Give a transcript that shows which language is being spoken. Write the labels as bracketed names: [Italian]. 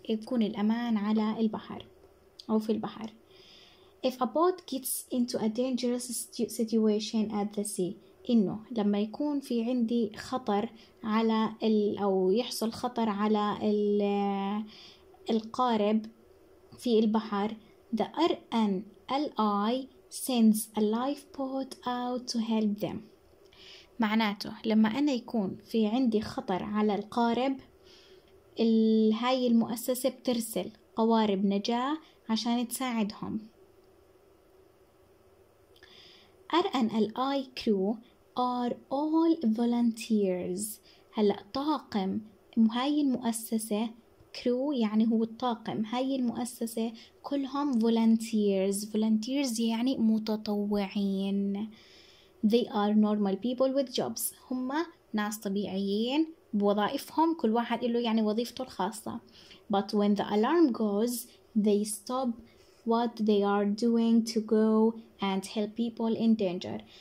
[Arabic] يكون الأمان على البحر أو في البحر. [English] If a boat gets into a dangerous situation at the sea. [Arabic] إنه لما يكون في عندي خطر على أو يحصل خطر على القارب في البحر. [English] The RNLI sends a lifeboat out to help them. [Arabic] معناته لما أنا يكون في عندي خطر على القارب هاي المؤسسة بترسل قوارب نجاة عشان تساعدهم. [English] RNLI crew are all volunteers. [Arabic] هلأ طاقم هاي المؤسسة crew يعني هو الطاقم، هاي المؤسسة كلهم volunteers. [English] volunteers [Arabic] يعني متطوعين. [English] they are normal people with jobs. [Arabic] هم ناس طبيعيين بوظائفهم، كل واحد له يعني وظيفته الخاصة. [English] but when the alarm goes they stop what they are doing to go and help people in danger.